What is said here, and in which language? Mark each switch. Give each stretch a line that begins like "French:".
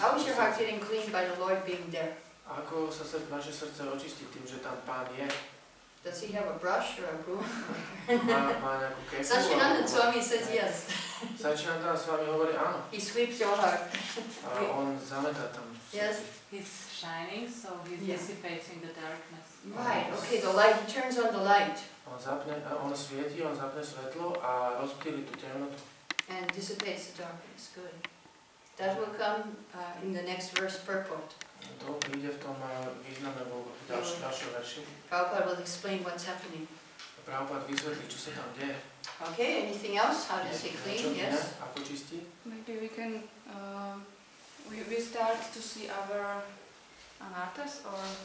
English: How is your heart getting cleaned by the Lord being there?
Slovak: Ako sa vaše srdce očistí tým, že tam Pán je?
English: Does he have a brush or a broom?
Slovak: Má nejakú kefu?
English: Sačinanda s vami says yes.
Slovak: Sačinanda s vami hovorí áno.
English: He sweeps your heart.
Slovak: A on zametá tam.
English: Yes. He's shining, so he's dissipating the darkness. Right, okay, the light, he turns on the light.
Slovak: On zapne, on svieti, on zapne svetlo a rozptýli tú temnotu.
English: And dissipates the darkness, good. That will come in the next verse purport.
Slovak: To ide v tom významné v ďalšom verši.
English: Prabhupada will explain what's happening.
Slovak: Prabhupada vysvetlí, čo sa tam deje.
English: Okay, anything else? How does he clean? Yes.
Slovak: Ako čistí?
English: Maybe we can, we start to see our anatas or...